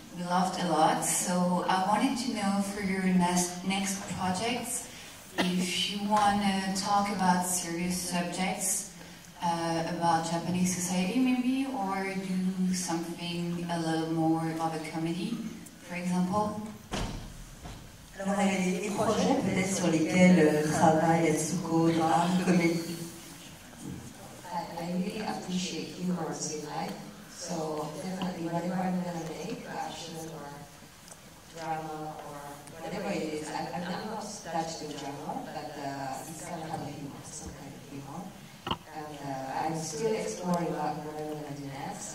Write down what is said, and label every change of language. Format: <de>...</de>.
<en>We laughed a lot, so I wanted to know for your next projects, if you want to talk about serious subjects about Japanese society maybe, or do something a little more of a comedy, for example.</en> <fr>Alors, les projets peut-être sur lesquels travaille Atsuko dans la comédie.</fr> <en>I really appreciate humor in life, so definitely whatever I'm going to make, action or drama or whatever it is, I'm not attached to drama, but it's kind of have a humor, some kind of humor. And I'm still exploring what I'm going to do next.</en>